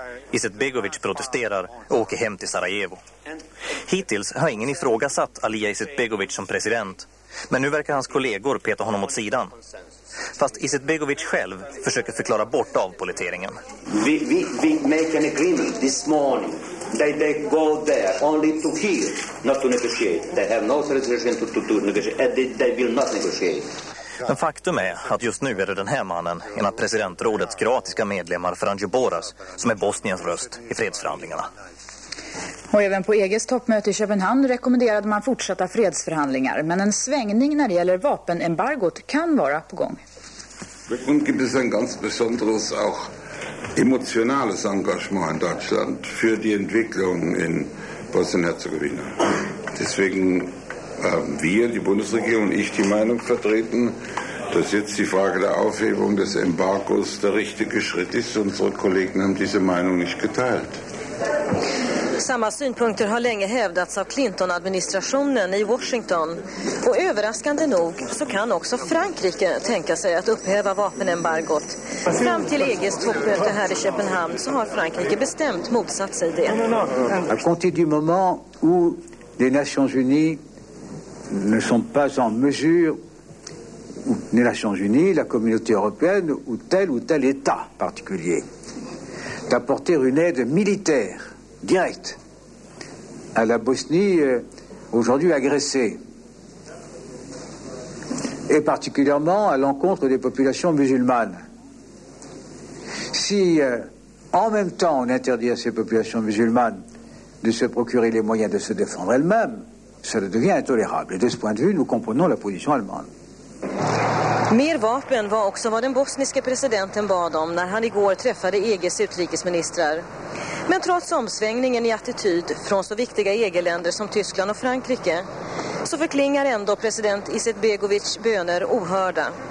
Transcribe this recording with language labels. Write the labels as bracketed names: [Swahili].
[Swedish] Izetbegovic protesterar och åker hem till Sarajevo. Hittills har ingen ifrågasatt Alija Izetbegovic som president. Men nu verkar hans kollegor peta honom åt sidan. Fast Izetbegovic själv försöker förklara bort avpoliteringen. [English] We make an agreement this morning. They go there only to hear, not to negotiate. They have no authorization to negotiate. They will not negotiate. [Swedish] Men faktum är att just nu är det den här mannen, en av presidentrådets kroatiska medlemmar Franjo Boras, som är Bosniens röst i fredsförhandlingarna. Och även på EGs toppmöte i Köpenhamn rekommenderade man fortsatta fredsförhandlingar. Men en svängning när det gäller vapenembargot kan vara på gång. Det finns en ganska [German] besonderes [Swedish] och emotionellt engagemang i [German] Deutschland [Swedish] för den utvecklingen i Bosnien-Herzegovina. [German] Deswegen haben wir, die Bundesregierung und ich, die Meinung vertreten, dass jetzt die Frage der Aufhebung des Embargos der richtige Schritt ist. Unsere Kollegen haben diese Meinung nicht geteilt. [Swedish] Samma synpunkter har länge hävdats av Clinton-administrationen i Washington. Och överraskande nog så kan också Frankrike tänka sig att upphäva vapenembargot. Fram till EGs toppmöte här i Köpenhamn så har Frankrike bestämt motsatt sig det. [French] À compter du moment où les Nations Unies ne sont pas en mesure, ou les Nations Unies, la communauté européenne, ou tel État particulier, d'apporter une aide militaire directe à la Bosnie aujourd'hui agressée, et particulièrement à l'encontre des populations musulmanes. Si en même temps on interdit à ces populations musulmanes de se procurer les moyens de se défendre elles-mêmes, cela devient intolérable. Et de ce point de vue, nous comprenons la position allemande. [Swedish] Mer vapen var också vad den bosniska presidenten bad om när han igår träffade EGs utrikesministrar. Men trots omsvängningen i attityd från så viktiga EG-länder som Tyskland och Frankrike så förklingar ändå president Izetbegovic böner ohörda.